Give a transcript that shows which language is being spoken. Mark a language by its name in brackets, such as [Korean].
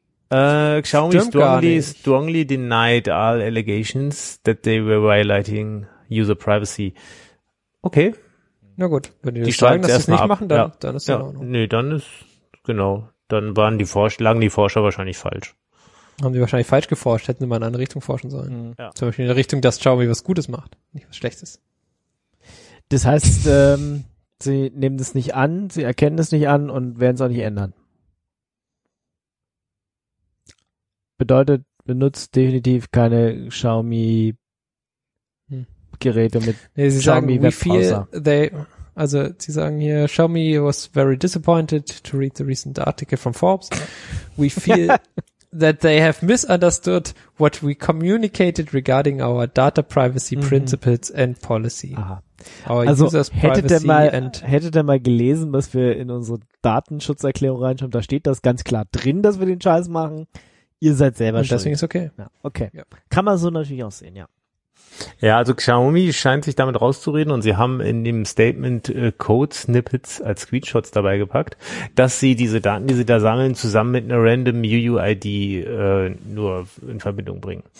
[English] Xiaomi strongly denied all allegations that they were violating user privacy. Okay. [German] Na gut, wenn die das sagen, dass sie es nicht machen, dann ist ja auch noch. Nee, dann ist, genau, dann waren die lagen die Forscher wahrscheinlich falsch. Haben die wahrscheinlich falsch geforscht, hätten sie mal in eine andere Richtung forschen sollen. Mhm. Ja. Zum Beispiel in der Richtung, dass Xiaomi was Gutes macht, nicht was Schlechtes. Das heißt, sie nehmen das nicht an, sie erkennen es nicht an und werden es auch nicht ändern. Bedeutet, benutzt definitiv keine Xiaomi Geräte mit Xiaomi Webbrowser. Sie sagen hier, [English] Xiaomi was very disappointed to read the recent article from Forbes. We feel that they have misunderstood what we communicated regarding our data privacy principles and policy. [German] Aha. Also hättet ihr mal gelesen, was wir in unsere Datenschutzerklärung reinschreiben, da steht das ganz klar drin, dass wir den Scheiß machen. Ihr seid selber schuld. Deswegen ist okay. Ja, okay. Ja. Kann man so natürlich auch sehen, ja. Ja, also Xiaomi scheint sich damit rauszureden und sie haben in dem Statement Code-Snippets als Screenshots dabei gepackt, dass sie diese Daten, die sie da sammeln, zusammen mit einer random UUID nur in Verbindung bringen.